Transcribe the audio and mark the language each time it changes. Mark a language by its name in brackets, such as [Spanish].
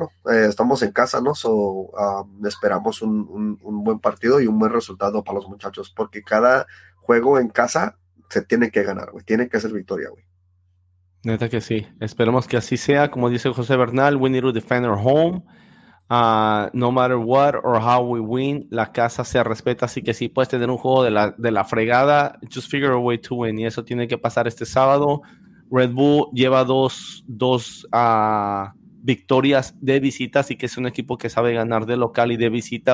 [Spanish] Estamos en casa, ¿no? Esperamos un buen partido y un buen resultado para los muchachos, porque cada juego en casa se tiene que ganar, güey. Tiene que ser victoria, güey. Neta que sí. Esperemos que así sea. Como dice [English] José Bernal, we need to defend our home. No matter what or how we win, [Spanish] la casa se respeta. Así que sí, puedes tener un juego de la fregada, [English] just figure a way to win. [Spanish] Y eso tiene que pasar este sábado. Red Bull lleva dos victorias de visita, así que es un equipo que sabe ganar de local y de visita.